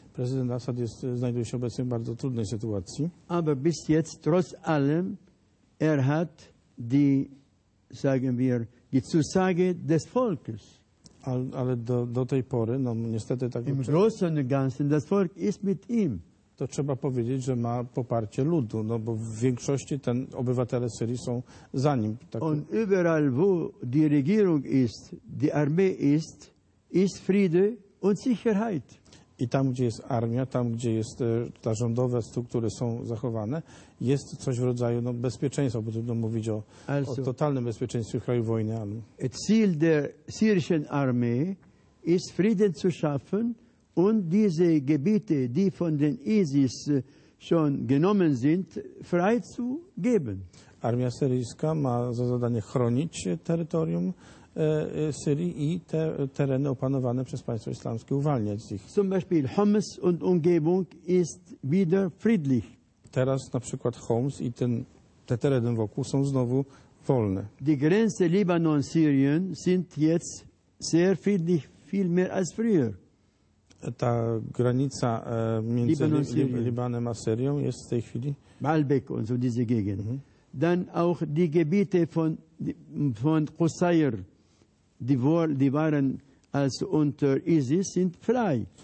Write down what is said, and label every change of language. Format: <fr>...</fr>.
<pl>Prezydent Assad znajduje się obecnie w bardzo trudnej sytuacji.</pl> <de>Aber bis jetzt, trotz allem, hat die, sagen wir, die Zusage des Volkes.</de> <pl>Ale do tej pory, no niestety tak...</pl> <de>Im großen Ganzen, das Volk ist mit ihm.</de> <pl>To trzeba powiedzieć, że ma poparcie ludu, no bo w większości ten obywatele Syrii są za nim. Tak.</pl> <de>On überall, wo die Regierung ist, die Armee ist, ist Friede und Sicherheit.</de> <pl>I tam, gdzie jest armia, tam, gdzie jest ta rządowe struktury są zachowane, jest coś w rodzaju bezpieczeństwa, bo trudno mówić o totalnym bezpieczeństwie w kraju wojny.</pl> <de>Ziel der syrischen Armee ist, Frieden zu schaffen und diese Gebiete, die von den ISIS schon genommen sind, frei zu geben.</de> <pl>Armia syryjska ma za zadanie chronić terytorium Syrii i te tereny opanowane przez państwo islamskie uwalniać z nich.</pl> <de>Zum Beispiel Homs und Umgebung ist wieder friedlich.</de> <pl>Teraz na przykład Homs i te tereny wokół są znowu wolne.</pl> <de>Die Grenze Libanon-Syrien sind jetzt sehr friedlich, viel mehr als früher.</de> <pl>Ta granica między Libanem a Syrią jest w tej chwili...</pl> <de>Baalbek und so diese Gegend. Dann auch die Gebiete von Qusair. Die waren also unter ISIS, sind frei.</de>